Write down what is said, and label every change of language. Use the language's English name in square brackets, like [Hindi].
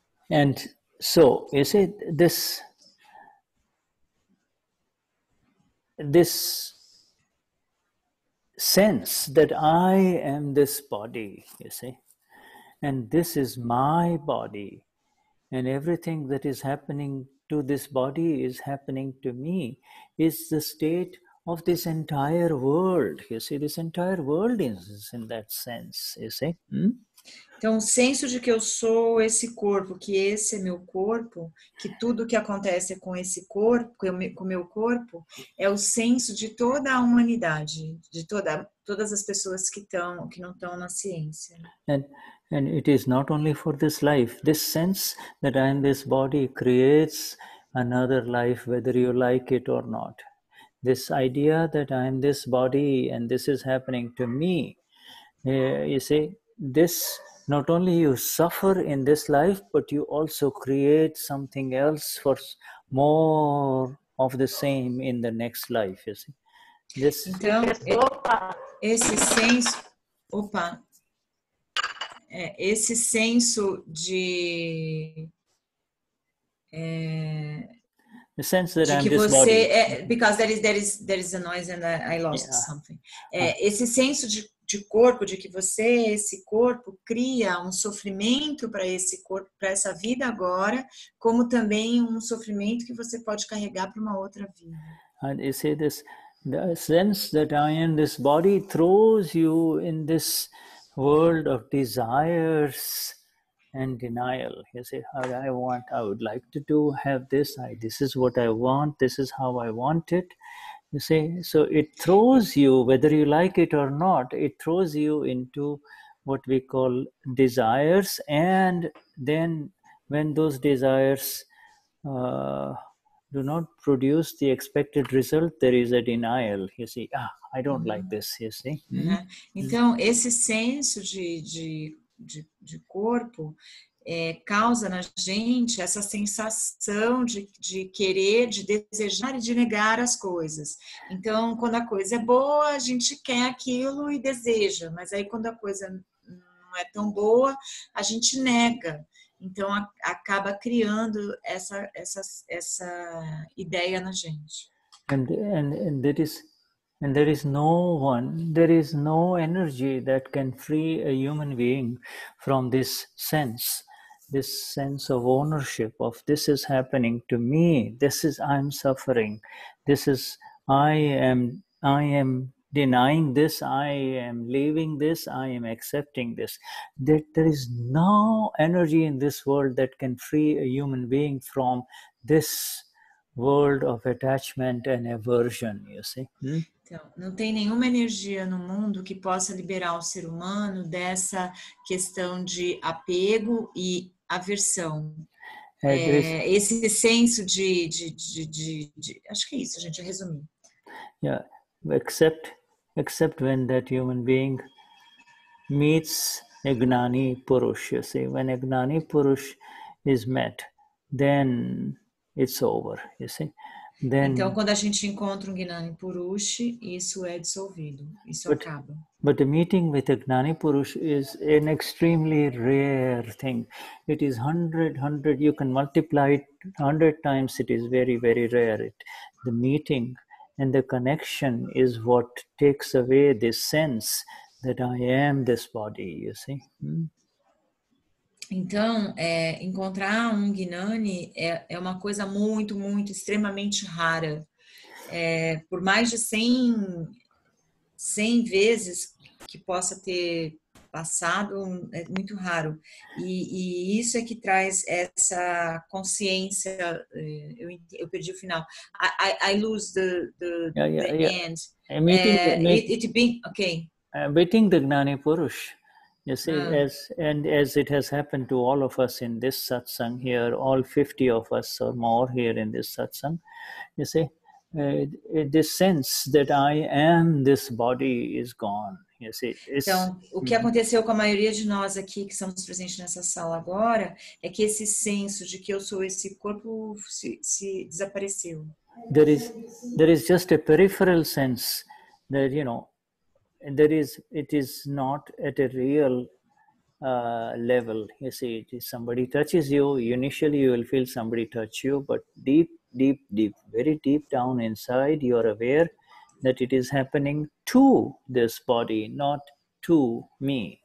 [English] And so, you see, this sense that I am this body, you see, and this is my body, and everything that is happening to this body is happening to me, is the state of this entire world. You see, this entire world is in that sense, you see. Hmm? [Portuguese] Então, o senso de que eu sou esse corpo, que esse é meu corpo, que tudo que acontece com esse corpo, com meu corpo, é o senso de toda a humanidade, de todas as pessoas que não estão na ciência. [English] And it is not only for this life. This sense that I am this body creates another life, whether you like it or not. This idea that I am this body and this is happening to me, you see, this, not only you suffer in this life, but you also create something else for more of the same in the next life, you see. [Portuguese] Então, esse senso... Opa! esse senso de [English] the sense that [Portuguese] de [English] I'm [Portuguese] que você [English] because there is a noise and I lost yeah. something. [Portuguese] Esse senso de corpo, de que você, esse corpo, cria um sofrimento para esse corpo, para essa vida agora, como também um sofrimento que você pode carregar para uma outra vida. [English] And you see this, the sense that I am this body throws you in this world of desires and denial. You say, how I want, I would like to do, have this, this is what I want, this is how I want it. You see, so it throws you, whether you like it or not, it throws you into what we call desires. And then when those desires do not produce the expected result, there is a denial. You see, I don't like this, you see. Uh-huh. [Portuguese] Então, esse senso de corpo causa na gente essa sensação de querer, de desejar e de negar as coisas. Então, quando a coisa é boa, a gente quer aquilo e deseja. Mas aí, quando a coisa não é tão boa, a gente nega. Então, acaba criando essa ideia na gente. [English] And that is... And there is no one, there is no energy that can free a human being from this sense of ownership of this is happening to me, this is, I'm suffering, this is, I am denying this, I am leaving this, I am accepting this. There is no energy in this world that can free a human being from this world of attachment and aversion, you see. [Portuguese] Então, não tem nenhuma energia no mundo que possa liberar o ser humano dessa questão de apego e aversão. Esse senso de acho que é isso, gente, resumir. [English] Yeah, except when that human being meets a Gnani Purush, you see. When a Gnani Purush is met, then it's over, you see. Then, [Portuguese] então, quando a gente encontra um Gnani Purush, isso é dissolvido, isso acaba. [English] But the meeting with a Gnani Purush is an extremely rare thing. It is hundred, you can multiply it 100 times, it is very, very rare. The meeting and the connection is what takes away this sense that I am this body, you see. [Portuguese] Então, encontrar um Gnani é uma coisa muito, muito, extremamente rara. Por mais de 100 vezes que possa ter passado, é muito raro. E isso é que traz essa consciência, eu perdi o final. [English] I lose the end. Meeting the Gnani Purush. You see, as it has happened to all of us in this satsang here, all 50 of us or more here in this satsang, you see, this sense that I am this body is gone. You see, [Portuguese] então, o que aconteceu com a maioria de nós aqui que estamos presentes nessa sala agora é que esse senso de que eu sou esse corpo se desapareceu. [English] There is just a peripheral sense that, you know, it is not at a real level. You see, it is somebody touches you. Initially, you will feel somebody touch you, but deep, deep, deep, very deep down inside, you are aware that it is happening to this body, not to me.